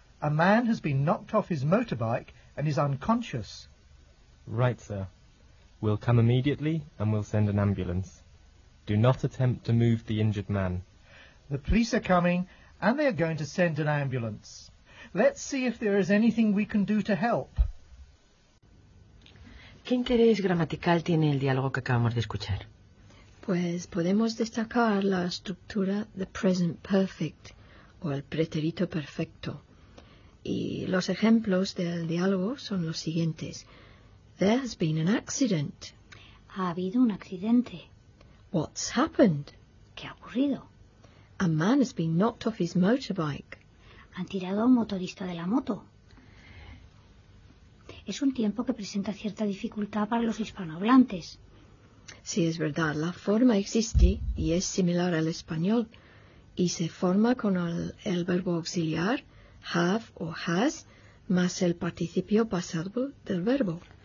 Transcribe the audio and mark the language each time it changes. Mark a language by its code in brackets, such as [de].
[en] A man has been knocked off his motorbike and is unconscious. Right, sir. We'll come immediately and we'll send an ambulance. Do not attempt to move the injured man. The police are coming and they are going to send an ambulance. Let's see if there is anything we can do to help. [es] ¿Qué interés gramatical tiene el diálogo que acabamos de escuchar? Pues podemos destacar la estructura de present perfect o el pretérito perfecto. Y los ejemplos del diálogo son los siguientes. [en] There has been an accident. [es] Ha habido un accidente. [en] What's happened? [es] ¿Qué ha ocurrido? [en] A man has been knocked off his motorbike. [es] Han tirado a un motorista de la moto. Es un tiempo que presenta cierta dificultad para los hispanohablantes. Sí, es verdad. La forma existe y es similar al español. Y se forma con el verbo auxiliar, have o has, más el participio pasado del verbo.